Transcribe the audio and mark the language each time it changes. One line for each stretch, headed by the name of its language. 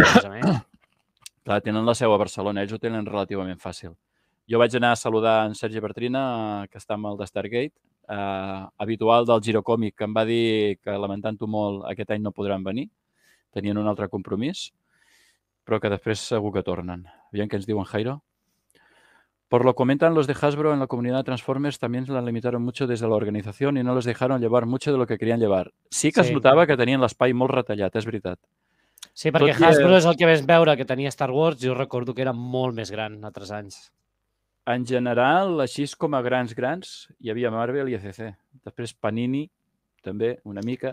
Catalan: a més. Clar, tenen la seu a Barcelona, ells ho tenen relativament fàcil. Jo vaig anar a saludar en Sergi Bertrina, que està amb el de Stargate, habitual del Girocòmic, que em va dir que, lamentant-ho molt, aquest any no podran venir. Tenien un altre compromís, però que després segur que tornen. Aviam què ens diuen, Jairo.
Spanish: Por lo comentan los de Hasbro, en la comunidad de Transformers también la limitaron mucho desde la organización y no les dejaron llevar mucho de lo que querían llevar.
Catalan: Sí que sí. Es notava que tenien l'espai molt retallat, és veritat. Sí, perquè tot Hasbro és el que vam veure que tenia Star Wars, jo recordo que era molt més gran en altres anys. En general, així com a grans, hi havia Marvel i ECC. Després Panini, també, una mica.